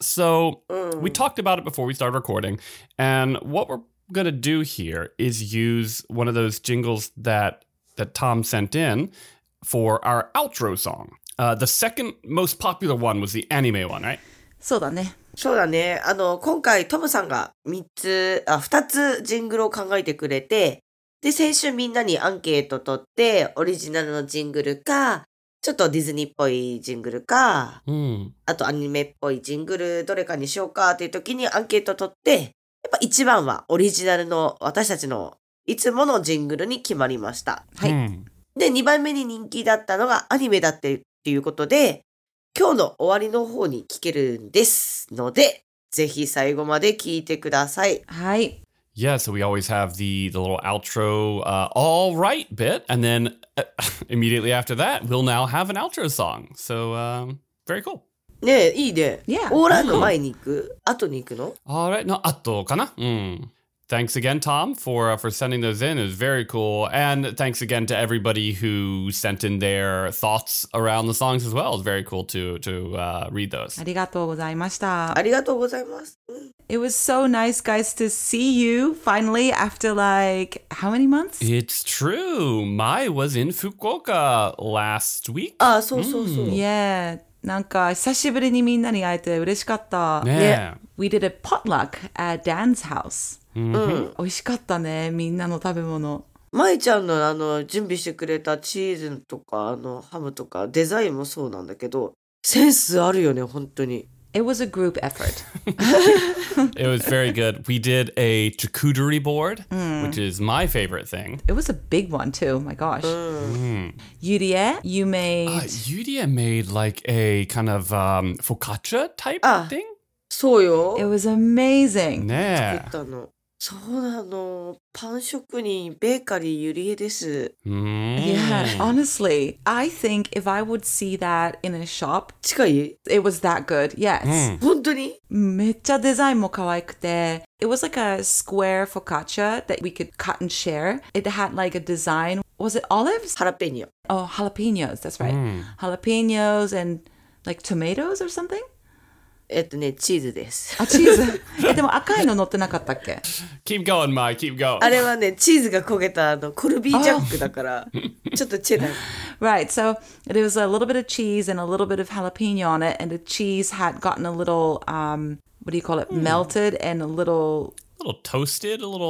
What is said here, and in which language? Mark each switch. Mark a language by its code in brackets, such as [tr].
[en] So we talked about it before we started recording. And what we're going to do here is use one of those jingles that Tom sent in for our outro song. The second most popular one was the anime one, right? [ja] そうだね。そうだね。あの、今回トムさんが3つ、あ、2つジングルを考えてくれて、で、先週みんなにアンケート取って、オリジナルのジングルか、ちょっとディズニーっぽいジングルか、あとアニメっぽいジングル、どれかにしようかっていう時にアンケート取って、やっぱ一番はオリジナルの私たちのいつものジングルに決まりました。はい。で、2番目に人気だったのがアニメだって、ということで、今日の終わりの方に聞けるんですので、ぜひ最後まで聞いてください。はい。 [en] Yeah, so we always have the little outro, all right bit, and then immediately after that, we'll now have an outro song. So, very cool. [ja] ねえ、いいね。 [en] Yeah. [ja] オーライの前に行く、後に行くの？ [en] All right, [ja] の後かな？うん。 [en] Thanks again, Tom, for sending those in. It was very cool. And thanks again to everybody who sent in their thoughts around the songs as well. It was very cool to read those. [ja] ありがとうございました。ありがとうございます。 [en] It was so nice, guys, to see you finally after like how many months? It's true. Mai was in Fukuoka last week. [ja] ああ、そうそうそう。 [en] Yeah. [ja] なんか久しぶりにみんなに会えて嬉しかった。ね、 [en] We did a potluck at Dan's house. [ja] 美味しかったね、みんなの食べ物。まいちゃんのあの準備してくれたチーズとかあのハムとかデザインもそうなんだけど、センスあるよね、本当に。 [en] It was a group effort. It was very good. We did a charcuterie board, which is my favorite thing. It was a big one too. My gosh. Yurie, you made... Yurie made like a kind of focaccia type thing. [ja] そうよ。 [en] It was amazing. [ja] ね。作ったの。そうなの。パン職人、ベーカリー Yurie です。 [en] Yeah, honestly, I think if I would see that in a shop, [ja] 近い? [en] It was that good, yes. [ja] 本当に? めっちゃデザインも可愛くて。 [en] It was like a square focaccia that we could cut and share. It had like a design. Was it olives? Jalapeno. Oh, jalapenos, that's right. Jalapenos and like tomatoes or something? [ja] ね、チーズです。あ、チーズ。え、でも赤いの乗ってなかったっけ [en] ?Keep going, Mai, keep going. [ja] あれはね、チーズが焦げたあのコルビージャックだから、ちょっとチェダー。 [en] Right, so it was a little bit of cheese and a little bit of jalapeno on it, and the cheese had gotten a little, what do you call it, melted and a little toasted